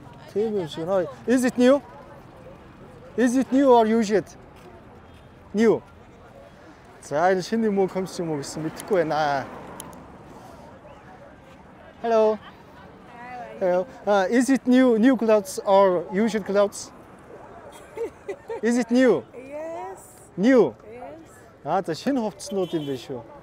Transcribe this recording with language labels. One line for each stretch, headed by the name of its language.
Mongolian: Тийм юм шиг.
English: Is it new? Is it new or used? New.
Mongolian: За энэ шинэ юм уу комисс юм уу гэсэн мэдэхгүй байна.
English: Hello. Is it new clothes or used clothes? Is it new? Yes. New. Yes.
Mongolian: Аа за шинэ хувцснууд юм байна шүү.